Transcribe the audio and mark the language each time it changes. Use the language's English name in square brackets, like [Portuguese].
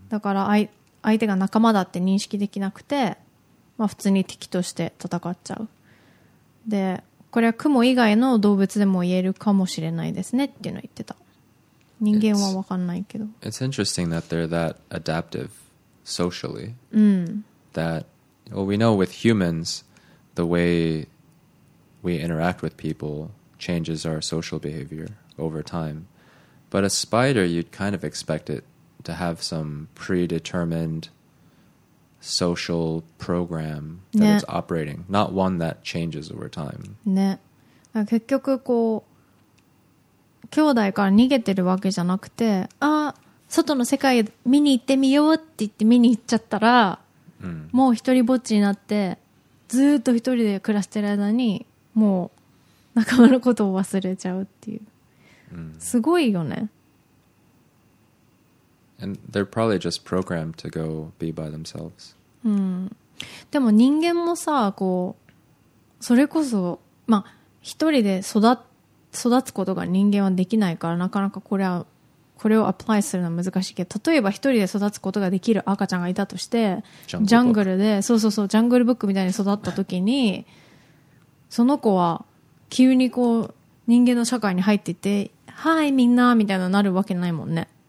[Japanese] だから相手が仲間だって認識できなくて、まあ、普通に敵として戦っちゃう。でこれはクモ以外の動物でも言えるかもしれないですねっていうのを言ってた。人間は分かんないけど、 [English] It's interesting that they're that adaptive socially、 [Japanese] うん、 [English] that, well, we know with humans the way we interact with people changes our social behavior over time, but a spider you'd kind of expect itto have some predetermined social program that、 [Japanese] ね、 [English] it's operating, not one that changes over time. [Japanese] ね。だから結局こう兄弟から逃げてるわけじゃなくて、あ、外の世界見に行ってみようって言って見に行っちゃったら、うん、もう一人ぼっちになってずっと一人で暮らしてる間にもう仲間のことを忘れちゃうっていう、うん、すごいよね。 [English] And they're probably just programmed to go be by themselves. [Japanese] でも人間もさ、こうそれこそまあ一人で育つことが人間はできないから、なかなかこれをアプライするのは難しいけど、例えば一人で育つことができる赤ちゃんがいたとして、ジャングルで、そうそうそう、ジャングルブックみたいに育った時にその子は急にこう人間の社会に入っていて、はいみんなみたいななるわけないもんね。